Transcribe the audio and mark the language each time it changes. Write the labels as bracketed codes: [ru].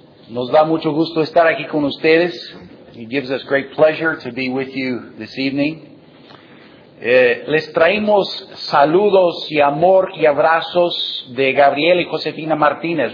[es] Nos da mucho gusto estar aquí con ustedes. [en] It gives us great pleasure to be with you this evening. [es] Les traemos saludos y amor y abrazos de Gabriel y Josefina Martínez.